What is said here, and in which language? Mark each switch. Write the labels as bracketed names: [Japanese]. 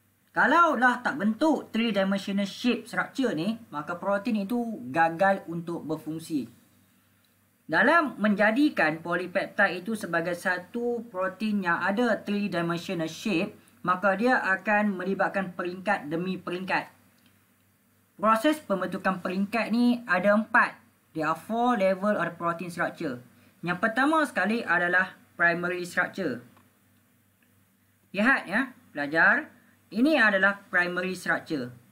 [Malay] Kalau lah tak bentuk three-dimensional shape structure ni, maka protein itu gagal untuk berfungsi. Dalam menjadikan polypeptide itu sebagai satu protein yang ada three-dimensional shape, maka dia akan melibatkan peringkat demi peringkat. Proses pembentukan peringkat ni ada empat. [English] There are four level of protein structure. [Malay] Yang pertama sekali adalah primary structure. Lihat ya, pelajar. Ini adalah primary structure.